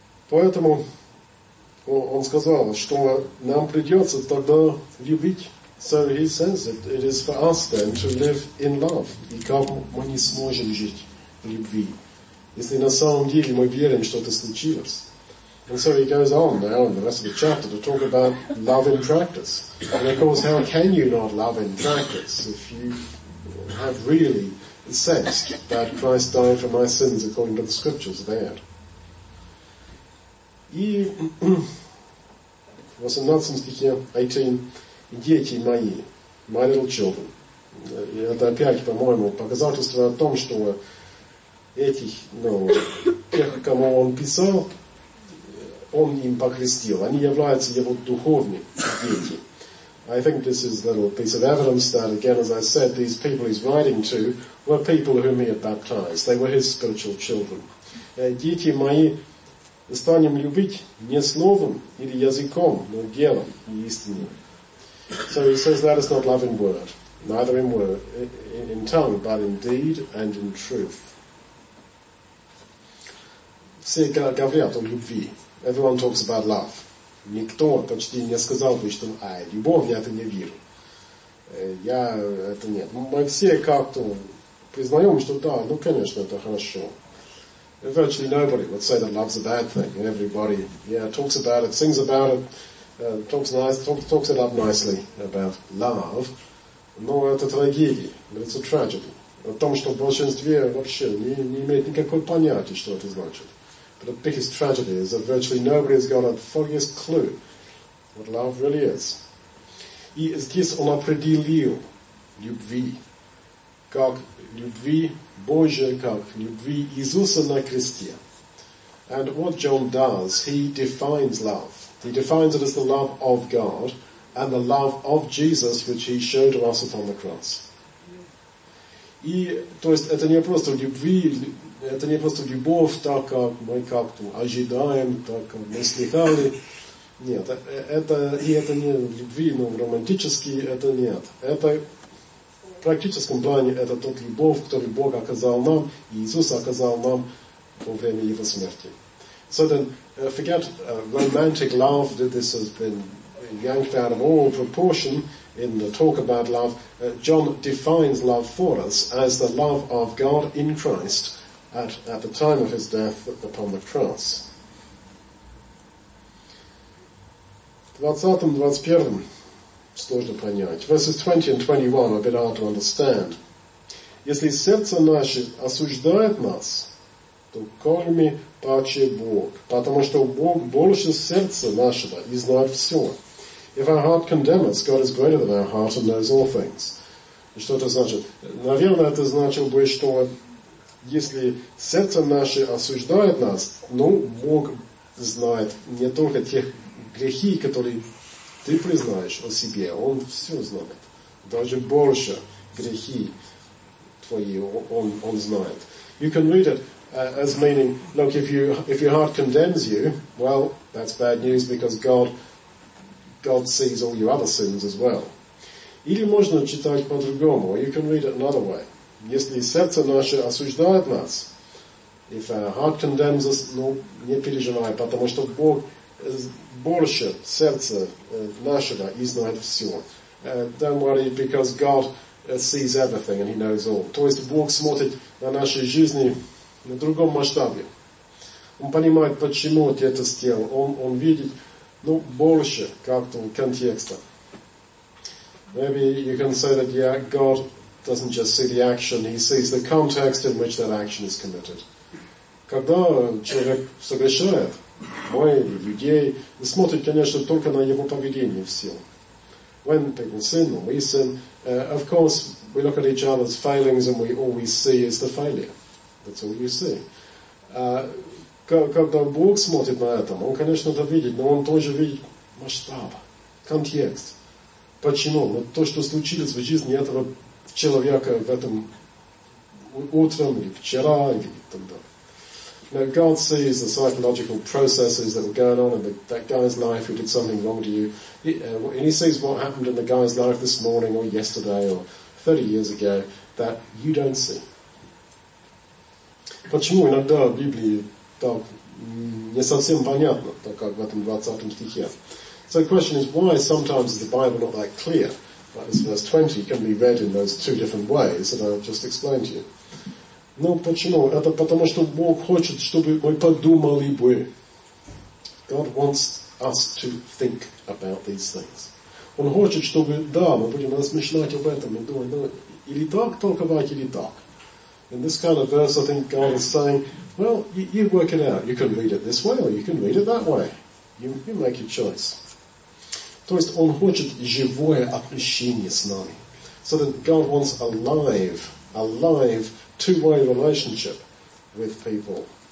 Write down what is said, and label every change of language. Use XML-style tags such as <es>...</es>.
<ru>Поэтому он сказал, что нам придется тогда любить.</ru> <en>So he says that it is for us then to live in love.</en> <ru>И как мы не сможем жить в любви, если на самом деле мы верим, что это случилось.</ru> <en>And so he goes on now in the rest of the chapter to talk about love in practice. And of course, how can you not love in practice if you have really sensed that Christ died for my sins according to the scriptures there?</en> <ru>И в 18 стихе 18, дети мои,</ru> <en>my little children.</en> <ru>И это опять, по-моему, показательство о том, что этих, ну, тех, кому он писал, он им покрестил. Они являются его духовными дети.</ru> <en>I think this is a little piece of evidence that, again, as I said, these people he's writing to were people whom he had baptized. They were his spiritual children.</en> <ru>Дети мои, станем любить не словом или языком, но делом и истиной.</ru> <en>So he says that is not love in word, neither in word, in tongue, but in deed and in truth.</en> <ru>Все говорят о любви.</ru> <en>Everyone talks about love.</en> <ru>Никто почти не сказал бы, что а, любовь, я это не верю. Я это нет. Мы все как-то признаем, что да, ну конечно, это хорошо.</ru> <en>Virtually nobody would say that love's a bad thing. Everybody, yeah, talks about it, sings about it, talks it up nicely about love.</en> <ru>Но это трагедия.</ru> <en>It's a tragedy.</en> <ru>О том, что в большинстве вообще не имеет никакой понятия, что это значит.</ru> <en>The biggest tragedy is that virtually nobody has got a foggiest clue what love really is.</en> <ru>И здесь он определил любви, как любви Божия, как любви Иисуса на кресте.</ru> <en>And what John does, he defines love. He defines it as the love of God and the love of Jesus, which he showed to us upon the cross.</en> <ru>И, то есть, это не просто любви, это не просто любовь, так как мы как-то ожидаем, так как мы слыхали. Нет, это, и это не любви, но романтический, это нет. Это в практическом плане, это тот любовь, который Бог оказал нам, и Иисус оказал нам во время Его смерти.</ru> <en>So then, forget romantic love, that this has been yanked out of all proportion in the talk about love. John defines love for us as the love of God in Christ, at the time of his death upon the cross.</en> <ru>20-21, сложно понять.</ru> <en>Verses 20 and 21 are a bit hard to understand.</en> <ru>Если сердце наше осуждает нас, то кроме паче Бог. Потому что Бог больше сердца нашего и знает все.</ru> <en>If our heart condemns, God is greater than our heart and knows all things.</en> <ru>Что это значит? Наверное, это значило бы, что если сердце наше осуждает нас, ну, Бог знает не только тех грехи, которые ты признаешь о себе, Он все знает. Даже больше грехи твои Он знает.</ru> <en>You can read it as meaning, look, if your heart condemns you, well, that's bad news because God sees all your other sins as well.</en> <ru>Или можно читать по-другому,</ru> <en>or you can read it another way.</en> <ru>Если сердце наше осуждает нас,</ru> <en>if our heart condemns us,</en> <ru>ну, не переживай, потому что Бог больше сердца нашего и знает все.</ru> <en>Don't worry, because God sees everything and He knows all.</en> <ru>То есть Бог смотрит на наши жизни на другом масштабе. Он понимает, почему ты это сделал. Он видит, ну, больше как-то контекста.</ru> <en>Maybe you can say that, yeah, God doesn't just see the action, He sees the context in which that action is committed.</en> <ru>Когда человек согрешает, мы, людей, смотрим, конечно, только на его поведение в силу.</ru> <en>When people sin, or we sin, of course, we look at each other's failings and all we see is the failure. That's all you see.</en> <ru>Когда Бог смотрит на это, Он, конечно, это видит, но Он тоже видит масштаб, контекст. Почему? Но то, что случилось в жизни этого человека в этом утром, или вчера, или так далее.</ru> <en>Now, God sees the psychological processes that were going on in that guy's life who did something wrong to you. And He sees what happened in the guy's life this morning or yesterday or 30 years ago that you don't see.</en> <ru>Почему иногда в Библии так не совсем понятно, так как в этом 20 стихе?</ru> <en>So the question is, why sometimes is the Bible not that clear? Like this verse 20 can be read in those two different ways that I've just explained to you.</en> <ru>Ну, почему? Это потому, что Бог хочет, чтобы мы подумали бы.</ru> <en>God wants us to think about these things.</en> <ru>Он хочет, чтобы, да, мы будем размышлять об этом, мы думаем, ну, или так толковать, или так.</ru> <en>In this kind of verse, I think God is saying, well, you work it out. You can read it this way, or you can read it that way. You make your choice.</en> <ru>То есть, Он хочет живое общение с нами.</ru> <en>So that God wants alive, two-way relationship with people.</en>